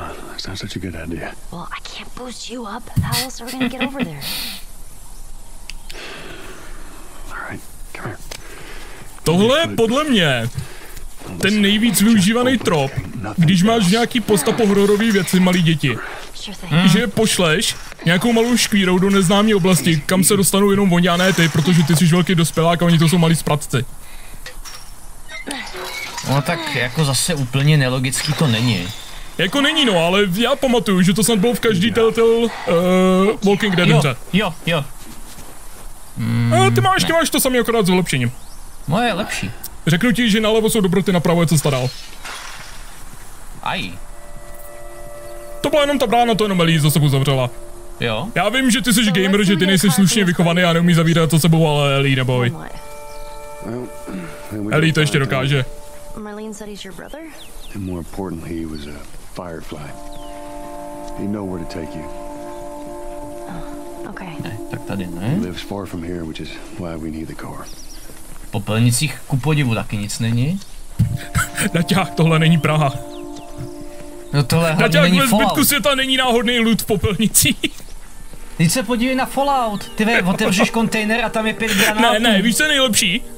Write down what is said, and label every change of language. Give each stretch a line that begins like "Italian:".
English: That's not such a good idea. Well, I can't boost you up. How else are we gonna get over there?
Czech: Tohle je podle mě ten nejvíc využívaný trop, když máš nějaký postapo hororový věci malí děti. Že pošleš nějakou malou škvírou do neznámé oblasti, kam se dostanou jenom oni a ne ty, protože ty jsi velký dospělák a oni to jsou malí zpratci. No tak jako zase úplně nelogický to není. Jako není no, ale já pamatuju, že to snad bylo v každý telltale Walking Dead. Jo. Ty máš to samý akorát s vylepšením. Moje je lepší. Řeknu ti, že nalevo jsou dobroty, napravo je cesta dál. Aj. To byla jenom ta brána, to jenom Ellie za sebou zavřela. Jo. Já vím, že ty jsi gamer, že ty nejsi slušně vychovaný a neumí zavírat za sebou, ale Ellie neboj. Ellie to ještě dokáže.
English: Marlene said he's your brother? And more importantly, he was a firefly. He knew where to take you.
Czech: Ne, tak tady ne.
English: Lives far from here, which is why we need the car.
Czech: V popelnicích ku podivu taky nic není. Naťák, tohle není Praha. No tohle hlavně Naťák, není ve Fallout. Ve zbytku světa není náhodný loot v popelnicích. Teď se podívej na Fallout. Ty ve, otevřeš kontejner a tam je 5 granátů. Ne, víš co je nejlepší?